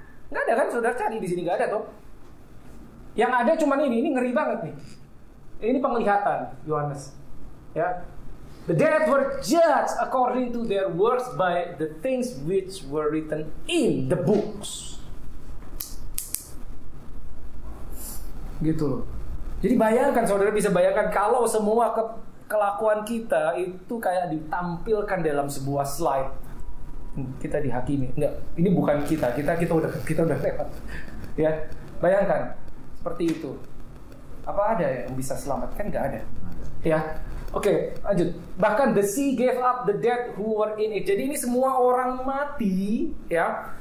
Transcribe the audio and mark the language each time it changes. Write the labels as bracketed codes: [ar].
[id] Tidak ada kan, saudara cari di sini, tidak ada tuh. Yang ada cuma ini ngeri banget nih. Ini penglihatan Yohanes. Ya. [en] The dead were judged according to their works by the things which were written in the books. [id] Gitu loh. Jadi bayangkan, saudara bisa bayangkan kalau semua kelakuan kita itu kayak ditampilkan dalam sebuah slide. Kita dihakimi. Enggak, ini bukan kita. Kita udah lewat. Ya. Bayangkan seperti itu. Apa ada yang bisa selamat? Kan enggak ada. Ya. Oke, lanjut. Bahkan [en] the sea gave up the dead who were in it. [id] Jadi ini semua orang mati, ya.